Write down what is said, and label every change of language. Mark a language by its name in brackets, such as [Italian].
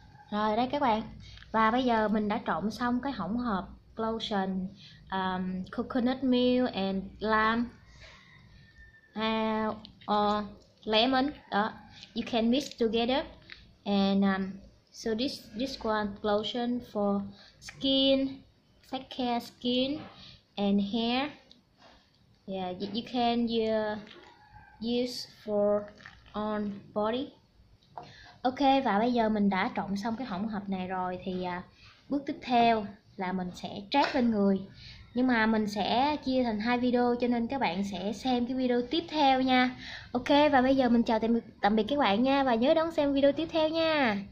[Vietnamese] Rồi đây các bạn. Và bây giờ mình đã trộn xong cái hỗn hợp lotion [English] coconut milk and lime or lemon. Đó. You can mix together. And so this one lotion for skin, take care skin and hair. Yeah, you can use for on body. [Vietnamese] Ok, và bây giờ mình đã trộn xong cái hỗn hợp này rồi thì bước tiếp theo là mình sẽ trát lên người. Nhưng mà mình sẽ chia thành hai video cho nên các bạn sẽ xem cái video tiếp theo nha. Ok, và bây giờ mình chào tạm biệt các bạn nha, và nhớ đón xem video tiếp theo nha.